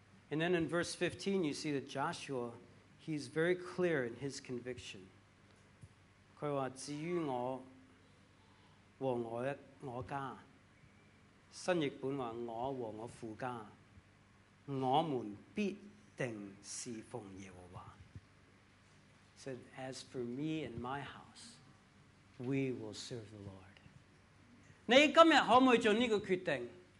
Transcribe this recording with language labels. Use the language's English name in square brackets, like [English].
[English] And then in verse 15, you see that Joshua, he's very clear in his conviction. [Chinese] 他说,至于我和我家,新译本说,我和我父家,我们必定侍奉耶和华. [English] He said, as for me and my house, we will serve the Lord. [Chinese] 你今天可不可以做这个决定?